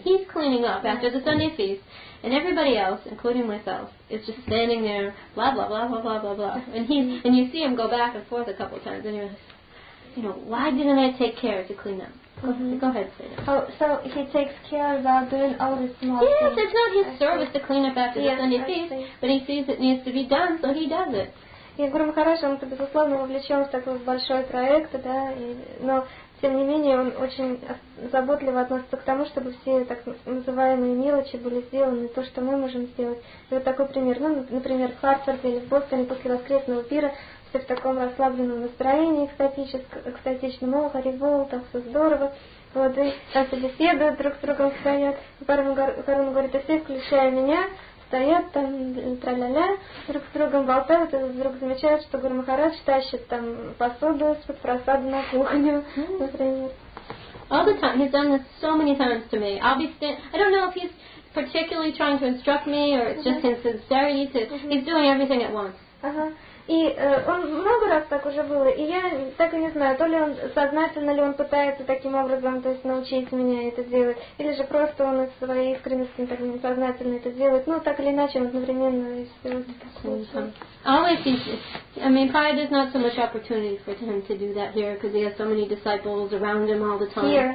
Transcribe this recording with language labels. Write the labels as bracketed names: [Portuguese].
[English] He's cleaning up after the Sunday feast, and everybody else, including myself, is just standing there, blah blah blah blah blah blah blah. And you see him go back and forth a couple of times, and you're like, why didn't I take care to clean up? Go ahead, say that. Oh, so he takes care about doing all the small things. Yes, it's not his service to clean up after the Sunday feast, but he sees it needs to be done, so he does it. [Russian] Я говорю, хорошо, он-то, безусловно, вовлечен в такой большой проект, но, тем не менее, он очень заботливо относится к тому, чтобы все так называемые мелочи были сделаны, то, что мы можем сделать. И вот такой пример. Например, в Хартфорде или в Бостоне после воскресного пира все в таком расслабленном настроении, экстатичном, о, Харибол, так все здорово. Вот, и там все беседуют, друг с другом стоят. Парамагаруна говорит, а все, включая меня, стоят там, тра-ля-ля, друг с другом болтают, и вдруг замечают, что Гуру Махарадж тащит там посуду из-под просады на кухню, например. [English] All the time. He's done this so many times to me. I don't know if he's particularly trying to instruct me, or it's just his sincerity to... He's doing everything at once. [Russian] И он много раз так уже было, и я так и не знаю, то ли он сознательно ли он пытается таким образом, то есть научить меня это делать, или же просто он из своей искренности так несознательно это делает, так или иначе, он одновременно и все вот это случилось. [English] Prabhupada is not so much opportunity for him to do that here, because he has so many disciples around him all the time.